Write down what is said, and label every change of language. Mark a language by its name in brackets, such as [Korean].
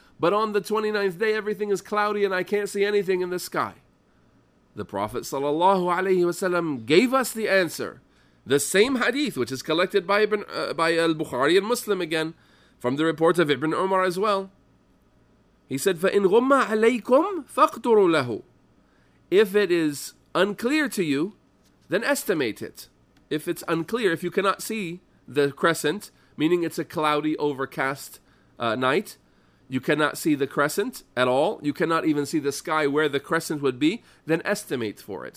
[English] But on the 29th day, everything is cloudy and I can't see anything in the sky. The Prophet sallallahu alaihi wasallam gave us the answer. The same hadith, which is collected by al-Bukhari and Muslim again, from the report of Ibn Umar as well. He said, [Arabic] فَإِنْ غُمَّ عَلَيْكُمْ فَاقْتُرُوا لَهُ. [English] If it is unclear to you, then estimate it. If it's unclear, if you cannot see the crescent, meaning it's a cloudy, overcast night, you cannot see the crescent at all, you cannot even see the sky where the crescent would be, then estimate for it.